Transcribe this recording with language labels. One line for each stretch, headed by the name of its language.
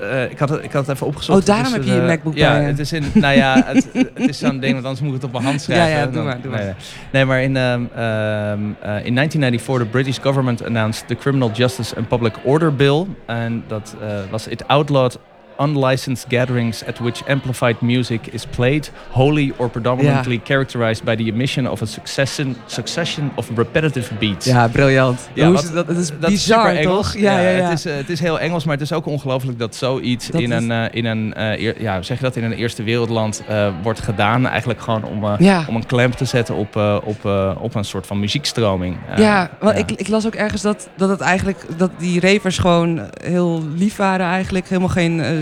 Dutch: Ik had het even opgezocht. Oh, daarom heb je een MacBook Pro. Ja, het is in. Nou ja, het is zo'n ding, want anders moet ik het op mijn hand schrijven. Ja, doe maar. Nee, maar in
English: 1994, the British government announced the Criminal Justice and Public Order Bill.
Dutch: En dat was:
English: it outlawed unlicensed gatherings at which amplified music is played, wholly or predominantly characterized by the emission of a succession of repetitive beats.
Dutch: Ja, briljant. Ja, dat is bizar, toch? Het is heel Engels, maar het is ook ongelooflijk dat zoiets in een eerste wereldland wordt gedaan. Eigenlijk gewoon om een klem te zetten op een soort van muziekstroming. Ik las ook ergens dat die ravers gewoon heel lief waren eigenlijk. Helemaal geen...